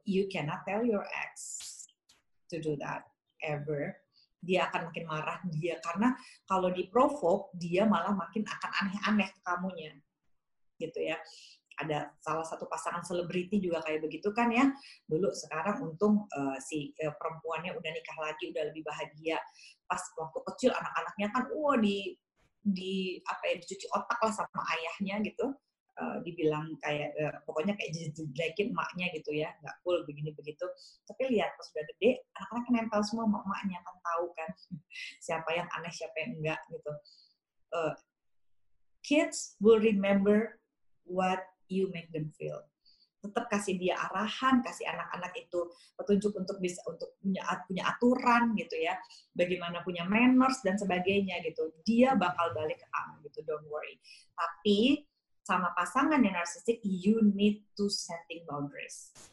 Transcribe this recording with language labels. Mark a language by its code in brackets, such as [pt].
[en] You cannot tell your ex to do that ever. [id] Dia akan makin marah dia, karena kalau diprovoke, dia malah makin akan aneh-aneh ke kamunya, gitu ya. Ada salah satu pasangan selebriti juga kayak begitu kan ya. Dulu sekarang untung perempuannya udah nikah lagi, udah lebih bahagia. Pas waktu kecil anak-anaknya kan dicuci otak lah sama ayahnya gitu. Dibilang kayak pokoknya kayak jelek-jelekin emaknya gitu ya. Enggak cool begini begitu. Tapi lihat pas udah gede, anak-anaknya nempel semua sama emaknya kan, tahu kan siapa yang aneh, siapa yang enggak gitu. [en] Kids will remember what you make them feel. [id] Tetap kasih dia arahan, kasih anak-anak itu petunjuk untuk bisa untuk punya aturan gitu ya, bagaimana punya manners dan sebagainya gitu. Dia bakal balik ke kamu gitu, [en] don't worry. [id] Tapi sama pasangan yang narsistik, [en] you need to setting boundaries.